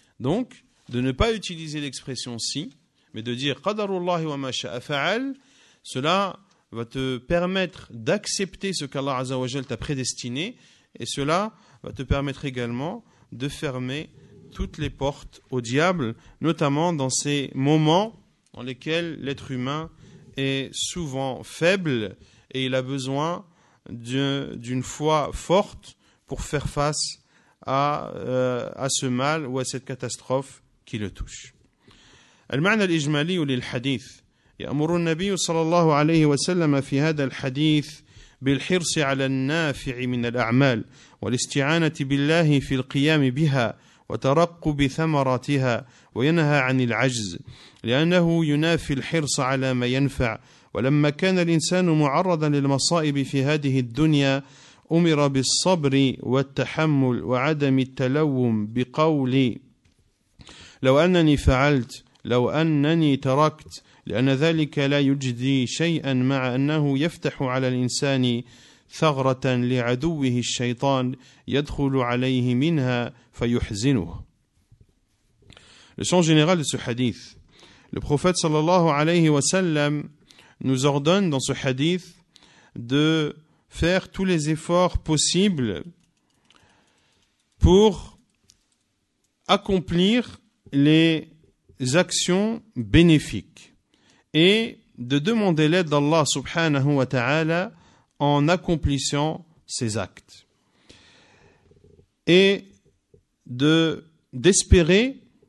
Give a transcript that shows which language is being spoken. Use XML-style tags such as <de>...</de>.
<fr>Donc, de ne pas utiliser l'expression si, mais de dire</fr> <ar>qadarullahi wa ma sha'a fa'al,</ar> <fr>cela va te permettre d'accepter ce qu'Allah azza wa jalla t'a prédestiné, et cela va te permettre également de fermer toutes les portes au diable, notamment dans ces moments dans lesquels l'être humain est souvent faible et il a besoin d'une foi forte pour faire face à ce mal ou à cette catastrophe qui le touche.</fr> <ar>المعنى الإجمالي للحديث يأمر النبي صلى الله عليه وسلم في هذا الحديث بالحرص على النافع من الأعمال والاستعانة بالله في القيام بها وترقب ثمراتها وينهى عن العجز لأنه ينافي الحرص على ما ينفع ولما كان الإنسان معرضا للمصائب في هذه الدنيا أمر بالصبر والتحمل وعدم التلوم بقولي لو أنني فعلت لو أنني تركت لأن ذلك لا يجدي شيئا مع أنه يفتح على الإنسان ثغرة لعدوه الشيطان يدخل عليه منها فيحزنه.</ar> <fr>Le sens général de ce hadith. Le prophète sallallahu alayhi wa sallam nous ordonne dans ce hadith de faire tous les efforts possibles pour accomplir les actions bénéfiques et de demander l'aide d'Allah subhanahu wa ta'ala en accomplissant ses actes et d'espérer</fr>